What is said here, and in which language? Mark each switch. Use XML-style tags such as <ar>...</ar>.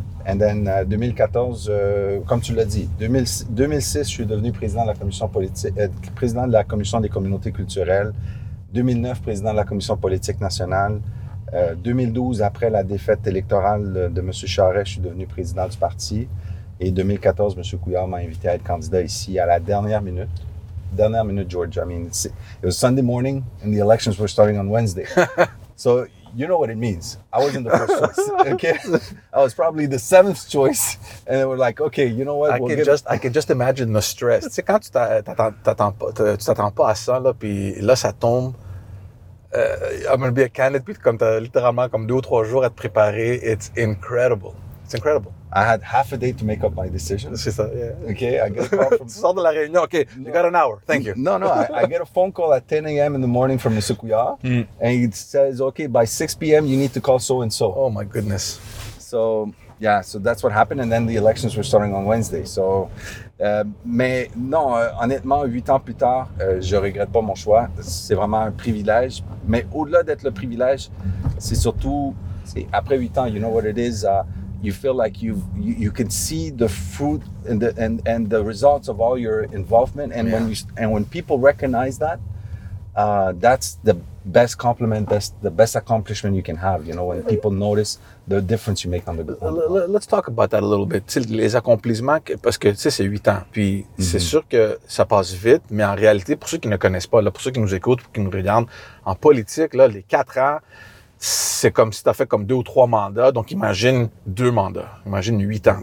<en>And then</en> <fr>2014, comme tu l'as dit, 2006, je suis devenu président de la commission président de la commission des communautés culturelles. 2009, président de la Commission politique nationale. 2012, après la défaite électorale de M. Charest, je suis devenu président du parti. Et 2014, M. Couillard m'a invité à être candidat ici à la dernière minute. Dernière minute, George.</fr> <en>I mean, it was Sunday morning and the elections were starting on Wednesday. So, you know what it means. I wasn't the first choice, okay? I was probably the seventh choice. And they were like, okay, you know what? I can just imagine the stress.</en> <fr>Tu sais, quand tu t'attends pas à ça, là, puis là, ça tombe.</fr> <en>I'm going to be a candidate.</en> <fr>Puis comme t'as littéralement comme deux ou trois jours à te préparer,</fr> <en>it's incredible. I had half a day to make up my decision.</en> <fr>C'est ça, yeah.</fr> <en>Okay, I get a call from...</en> <fr>Tu sors de la réunion,</fr> <en>okay, no. You got an hour, thank you. No, I get a phone call at 10 a.m. in the morning from Mr. Couillard, and he says, okay, by 6 p.m. you need to call so-and-so. Oh my goodness. So, yeah, so that's what happened, and then the elections were starting on Wednesday.</en> <fr>So, mais non, honnêtement, 8 ans plus tard, je regrette pas mon choix. C'est vraiment un privilège. Mais au-delà d'être le privilège, c'est surtout, c'est après 8 ans,</fr> <en>you know what it is, you feel like you can see the fruit and the results of all your involvement, and when people recognize that, that's the best compliment, the best accomplishment you can have. You know, when people notice the difference you make on the ground. Let's talk about that a little bit.</en> <fr>T'sais, les accomplissements, parce que tu sais, c'est 8 ans. Puis c'est sûr que ça passe vite, mais en réalité, pour ceux qui ne connaissent pas, là, pour ceux qui nous écoutent, qui nous regardent, en politique, là, les 4 ans. C'est comme si tu as fait comme 2 ou 3 mandats, donc imagine 2 mandats, imagine 8 ans.</fr>